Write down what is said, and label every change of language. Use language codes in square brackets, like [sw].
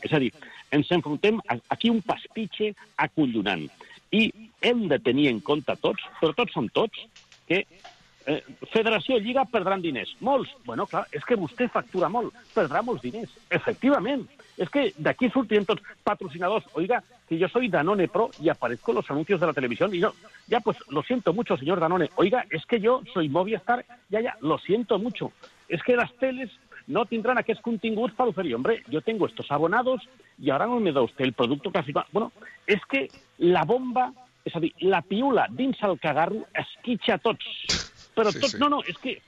[ca] És a dir, ens enfrontem a, aquí un pastitxe acollonant. I hem de tenir en compte tots, però tots som tots, que Federació Lliga perdran diners. Molts. Bueno, clar, és que vostè factura molt. Perdrà molts diners. Efectivament. És que d'aquí sortirem tots patrocinadors. [es] Oiga, que jo soy Danone Pro i aparezco en los anuncios de la televisió. I jo, ja, pues, lo siento mucho, señor Danone. Oiga, es que yo soy Movistar. Ya, ya, lo siento mucho. Es que las teles [ca] no tindran aquests continguts per oferir. [es] Hombre, yo tengo estos abonados y ahora no me da usted el producto casi... Bueno, es que la bomba, [ca] és a dir, la piula dins el cagarro esquitxa a tots. Però sí, tots, sí. No, no, és que...